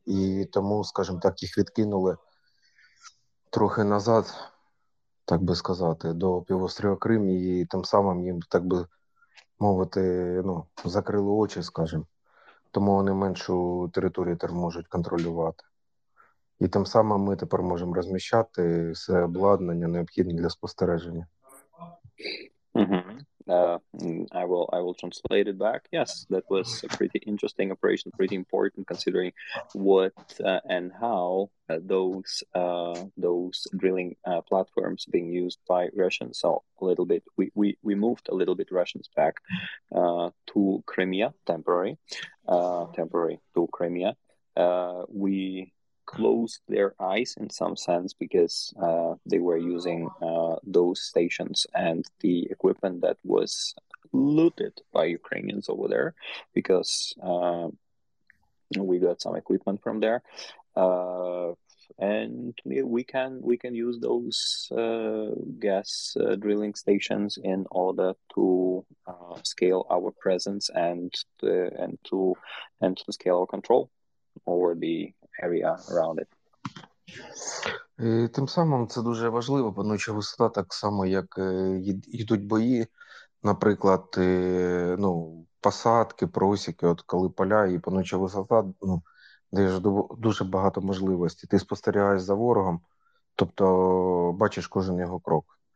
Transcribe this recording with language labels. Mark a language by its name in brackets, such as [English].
[Ukrainian] І тому, скажімо так, їх відкинули трохи назад, так би сказати, до півострова Крим, і тим самим їм, так би мовити, ну, закрили очі, скажімо. Тому вони меншу територію тепер можуть контролювати. І тим самим ми тепер можемо розміщати все обладнання, необхідне для спостереження. [English] I will translate it back. Yes, that was a pretty interesting operation, pretty important considering what and how those drilling platforms being used by Russians. So a little bit, we moved a little bit Russians back to Crimea temporary to Crimea. We closed their eyes in some sense because they were using those stations and the equipment that was looted by Ukrainians over there because we got some equipment from there and we can use those gas drilling stations in order to scale our presence and to scale our control over the area around it. [Ukrainian] І тим самим це дуже важливо, панучи висота, так само, як йдуть бої, наприклад, ну, посадки, просіки, от коли поля і панучи висота, ну, даєш дуже багато можливостей. Ти спостерігаєш за ворогом, тобто бачиш кожен його крок.